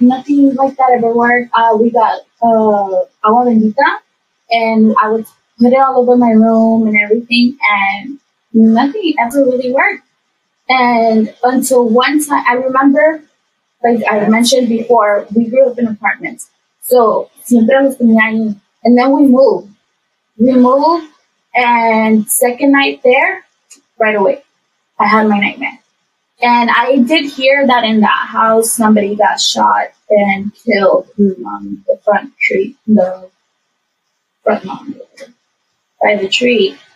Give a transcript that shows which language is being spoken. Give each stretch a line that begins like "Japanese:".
English: Nothing like that ever worked. We got
Spanish: agua bendita
English: and I would put it all over my room and everything. And nothing ever really worked. And until one time, I remember, like I mentioned before, we grew up in apartments. So,
Spanish: siempre los tenía ahí.
English: And then we moved. We moved, and second night there, right away, I had my nightmare. And I did hear that in that house, somebody got shot and killed on the front tree, the front lawn, by the tree.